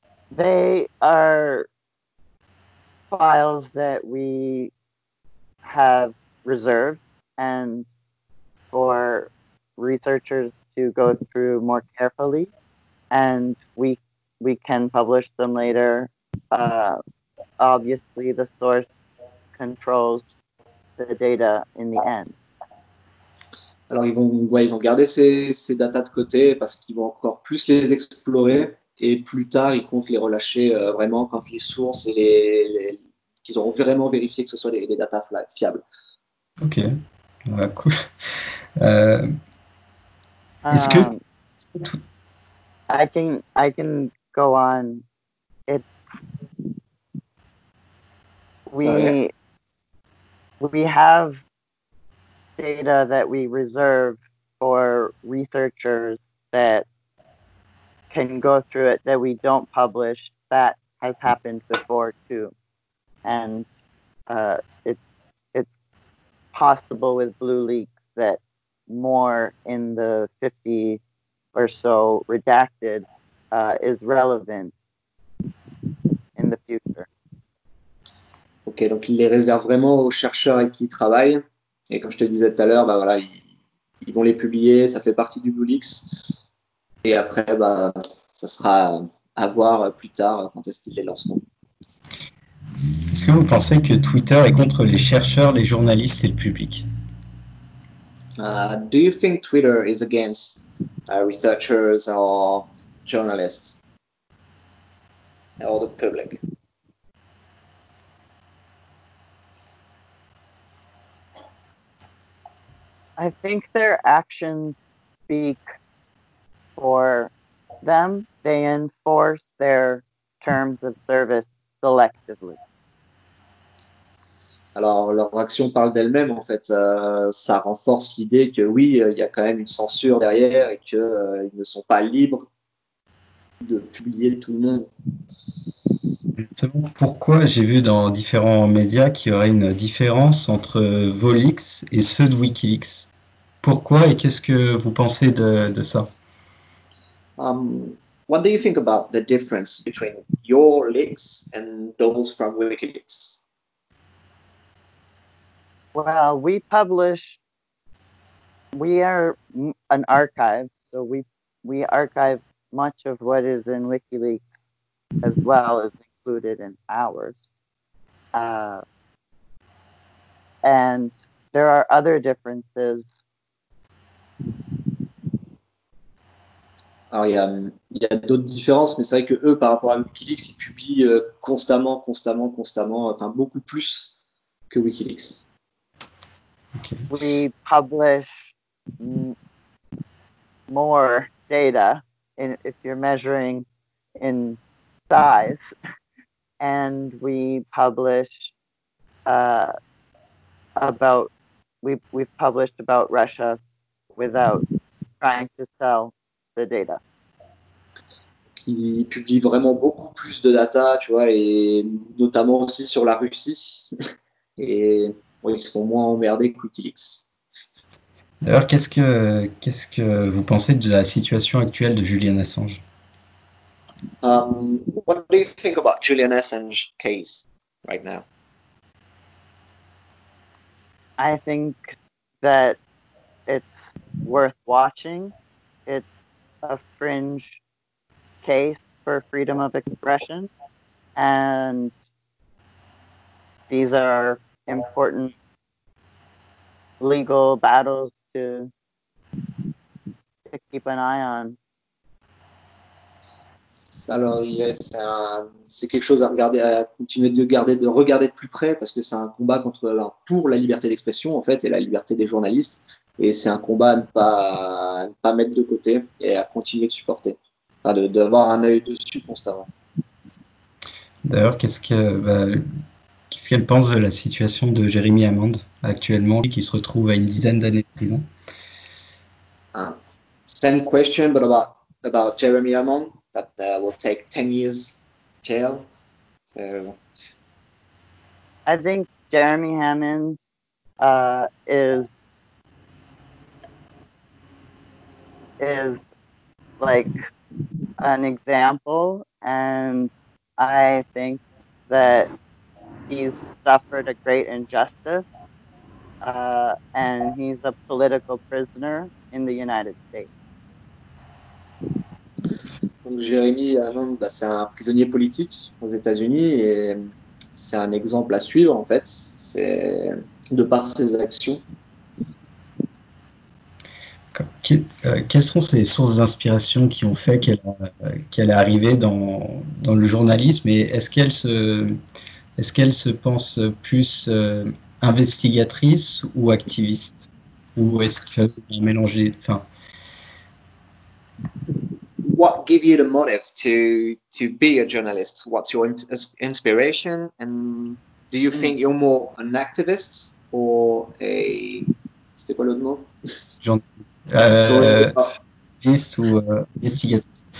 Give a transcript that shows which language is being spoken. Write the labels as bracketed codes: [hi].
[en] They are files that we have reserved and for researchers to go through more carefully, and we can publish them later. Obviously, the source controls the data in the end. [fr] Alors, ils ont gardé ces datas de côté parce qu'ils vont encore plus les explorer et plus tard, ils comptent les relâcher vraiment quand les sources et qu'ils auront vraiment vérifié que ce soit des datas fiables. Ok, ouais, cool. Est-ce que tout. [en] I can go on. Sorry. We have data that we reserve for researchers that can go through it that we don't publish. That has happened before too. And it's possible with Blue Leaks that more in the 50 or so redacted is relevant in the future. [fr] Okay, donc, il les réserve vraiment aux chercheurs avec qui ils travaillent. Et comme je te disais tout à l'heure, bah voilà, ils vont les publier. Ça fait partie du BlueLeaks. Et après, bah, ça sera à voir plus tard quand est-ce qu'ils les lanceront. Est-ce que vous pensez que Twitter est contre les chercheurs, les journalistes et le public? [en] Do you think Twitter is against researchers or journalists or the public? I think their actions speak for them. They enforce their terms of service selectively. [fr] Alors, leur action parle d'elle-même, en fait. Ça renforce l'idée que oui, il y a quand même une censure derrière et qu'ils ne sont pas libres de publier tout le monde. Justement, pourquoi j'ai vu dans différents médias qu'il y aurait une différence entre vos leaks et ceux de Wikileaks? Pourquoi et qu'est-ce que vous pensez de ça? [en] What do you think about the difference between your leaks and those from Wikileaks? Well, we publish, we are an archive, so we archive much of what is in WikiLeaks as well as included in ours. And there are other differences. [fr] Alors, il y a d'autres différences, mais c'est vrai que eux, par rapport à WikiLeaks, ils publient constamment, constamment, constamment, enfin beaucoup plus que WikiLeaks. [en] We publish more data if you're measuring in size, and we publish about we've published about Russia without trying to sell the data. [fr] Ils publient vraiment beaucoup plus de data, tu vois, et notamment aussi sur la Russie. Et oui, ils se font moins emmerder D'ailleurs, qu'est-ce que vous pensez de la situation actuelle de Julian Assange? WikiLeaks. [en] What do you think about Julian Assange's case right now? I think that it's worth watching. It's a fringe case for freedom of expression, and these are important legal battles to keep an eye on. [fr] Alors, c'est quelque chose à regarder, à continuer de regarder de plus près, parce que c'est un combat contre, alors, pour la liberté d'expression, en fait, et la liberté des journalistes. Et c'est un combat à ne pas mettre de côté et à continuer de supporter, enfin, d'avoir un œil dessus constamment. D'ailleurs, qu'est-ce qu'elle pense de la situation de Jérémy Amande actuellement, qui se retrouve à une dizaine d'années de prison? [en] Same question, but about Jeremy Amon that will take 10 years jail. So. I think Jeremy Hammond is like an example, and I think that he's suffered a great injustice, and he's a political prisoner in the United States. [fr] Donc Jeremy Amon, bah, c'est un prisonnier politique aux États-Unis et c'est un exemple à suivre, en fait, c'est de par ses actions. Quelles sont ces sources d'inspiration qui ont fait qu'elle est arrivée dans le journalisme, et est-ce qu'elle se pense plus investigatrice ou activiste? Ou est-ce qu'elle est mélangée, enfin, [en] What gave you the motive to be a journalist? What's your inspiration? And do you think you're more an activist or a... [fr] C'était quoi l'autre mot? Journaliste ou investigateur.